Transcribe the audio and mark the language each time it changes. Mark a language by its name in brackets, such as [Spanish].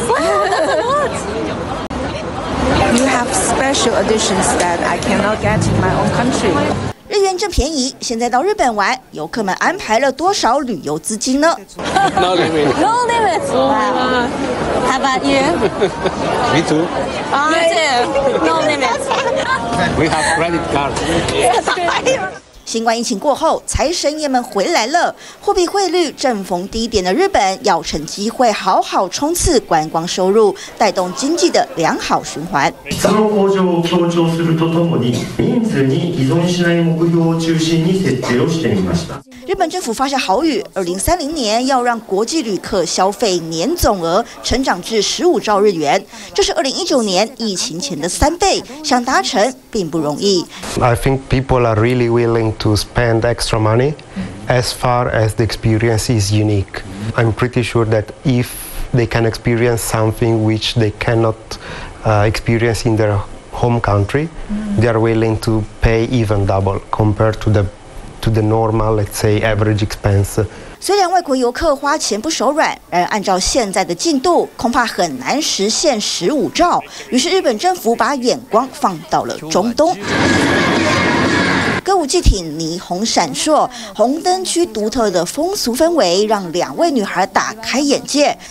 [English] Wow, that's a lot. You have special editions that I cannot get in my own country. [Chinese] 日元正便宜，现在到日本玩，游客们安排了多少旅游资金呢？ [English] No limit. No limit. Wow. How about you? Me too. You too. No limit. We have credit card. Yes. [Chinese] 新冠疫情过后，财神爷们回来了，货币汇率正逢低点的日本要趁机会好好冲刺观光收入，带动经济的良好循环。 [Japanese] その向上を強調するとともに、人数に依存しない目標を中心に設定をしてみました。 [Chinese] 日本政府发下豪语，2030年要让国际旅客消费年总额成长至15兆日元，这是2019年疫情前的3倍，想达成并不容易。 [English] I think people are really willing to spend extra money as far as the experience is unique. I'm pretty sure that if they can experience something which they cannot experience in their home country, they are willing to pay even double compared to the normal, let's say, average expense. [Chinese] 虽然外国游客花钱不手软，然而按照现在的进度，恐怕很难实现15兆。于是日本政府把眼光放到了中东。歌舞伎町霓虹闪烁，红灯区独特的风俗氛围让两位女孩打开眼界。